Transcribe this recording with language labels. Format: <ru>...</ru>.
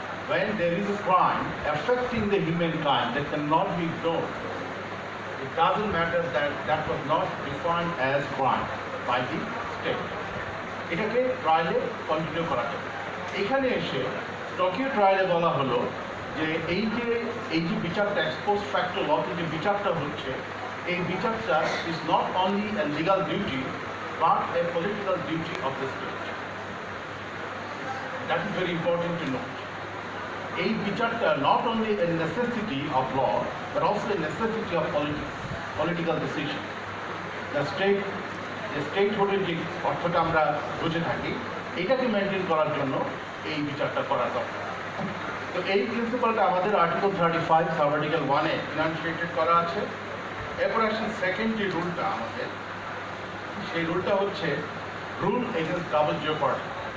<en>When there is a crime affecting the humankind that cannot be ignored, it doesn't matter that that was not defined as crime by the state.</en> <bn>এটাকে ট্রায়ালে continue করা যাবে। এখানে এসে Tokyo ট্রায়ালে বলা হলো যে এই যে বিচারটা এক্সপোজ ফ্যাক্টর লকে যে বিচারটা হচ্ছে এই বিচারটা is not only a legal duty</bn> <en>but a political duty of the state. That is very important to note.</en> <bn>এই বিচারটা</bn> <en>not only a necessity of law but also a necessity of political decision. The statehooded</en> <bn>যে অর্থটা আমরা বুঝে থাকি এটাকে maintain করার জন্য এই বিচারটা করা দরকার। তো এই প্রিন্সিপালটা আমাদের আর্টিকেল 35 সাব আর্টিকেল 1 এ ইনান্সিয়েটেড করা আছে। এরপর আসছে সেকেন্ড যে রুলটা আমাদের, সেই রুলটা হচ্ছে রুল এগেনস্ট ডাবল জিওপার্টি।</bn>